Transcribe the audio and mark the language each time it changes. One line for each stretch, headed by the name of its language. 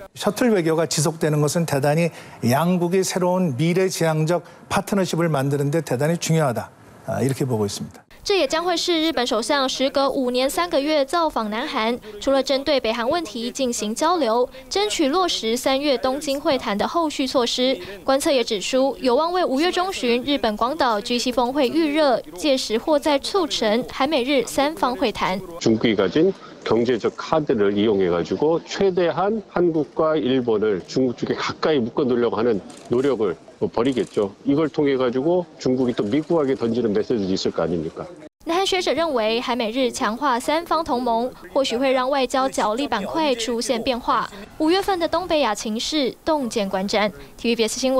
Korean: 셔틀 외교가 지속되는 것은 대단히 양국이 새로운 미래지향적 파트너십을 만드는 데 대단히 중요하다 이렇게 보고 있습니다.
Chinese: 这也将会是日本首相时隔5年3个月造访南韩，除了针对北韩问题进行交流，争取落实3月东京会谈的后续措施。观测也指出，有望为5月中旬日本广岛G7峰会预热，届时或再促成韩美日三方会谈。
Korean: 경제적 카드를 이용해가지고 최대한 한국과 일본을 중국 쪽에 가까이 묶어놓으려고 하는 노력을 벌이겠죠. 이걸 통해가지고 중국이 또 미국에게 던지는 메시지도 있을 거 아닙니까?
Chinese: 南韩学者认为，韩美日强化三方同盟，或许会让外交角力板块出现变化。5月份的东北亚情势，洞见观瞻。TVBS